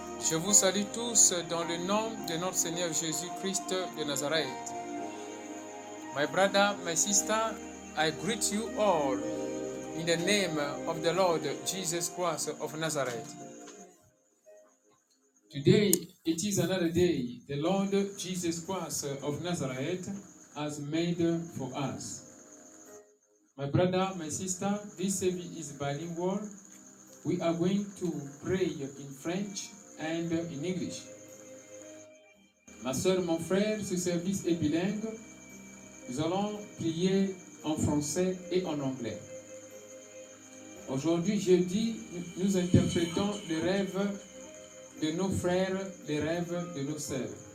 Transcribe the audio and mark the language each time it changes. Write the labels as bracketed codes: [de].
[fr] Je vous salue tous dans le nom de notre Seigneur Jésus-Christ de Nazareth. [en] My brother, my sister, I greet you all in the name of the Lord Jesus Christ of Nazareth. Today, it is another day the Lord Jesus Christ of Nazareth has made for us. My brother, my sister, this service is bilingual. We are going to pray in French and in English. [fr] Ma soeur, mon frère, ce service est bilingue. Nous allons prier en français et en anglais. Aujourd'hui, jeudi, nous interprétons les rêves de nos frères, les rêves de nos sœurs.